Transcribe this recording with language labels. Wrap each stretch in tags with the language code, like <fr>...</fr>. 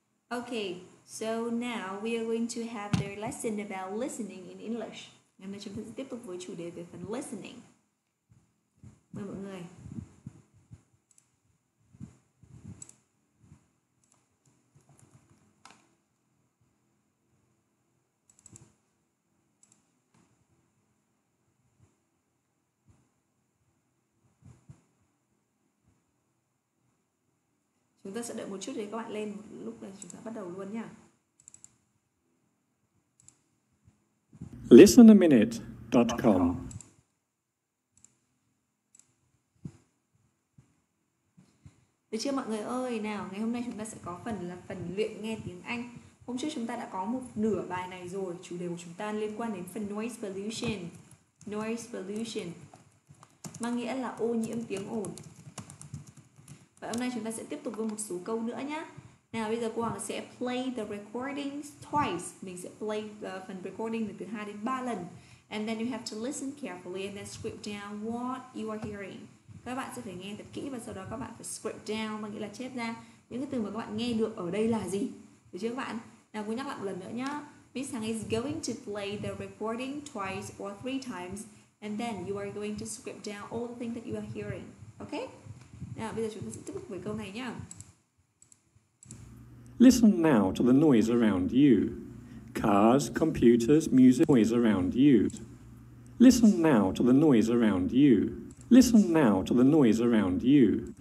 <en>Okay, so now we are going to have their lesson about listening in English.</en> <vi>Ngày hôm nay chúng ta sẽ tiếp tục với chủ đề về phần listening. Mời mọi người. Chúng ta sẽ đợi một chút để các bạn lên, lúc này chúng ta bắt đầu luôn nhá.</vi> <en>listenaminute.com.</en> <vi>Được chưa mọi người ơi? Nào, ngày hôm nay chúng ta sẽ có phần là phần luyện nghe tiếng Anh. Hôm trước chúng ta đã có một nửa bài này rồi, chủ đề của chúng ta liên quan đến phần noise pollution. Noise pollution mang nghĩa là ô nhiễm tiếng ồn. Và hôm nay chúng ta sẽ tiếp tục với một số câu nữa nhé. Nào bây giờ cô Hoàng sẽ</vi> <en>play the recording twice.</en> <vi>Mình sẽ play phần recording từ 2 đến 3 lần.</vi> <en>And then you have to listen carefully and then script down what you are hearing.</en> <vi>Các bạn sẽ phải nghe thật kỹ và sau đó các bạn phải script down, mà nghĩa là chép ra những cái từ mà các bạn nghe được ở đây là gì. Được chưa các bạn? Nào cô nhắc lại một lần nữa nhé.</vi> <en>Miss Hằng is going to play the recording twice or three times and then you are going to script down all the things that you are hearing. Okay?</en> <vi>Nào, bây giờ chúng ta sẽ tiếp tục với câu này nhá.</vi> <en>Listen now to the noise around you. Cars, computers, music, noise around you. Listen now to the noise around you. Listen now to the noise around you.</en>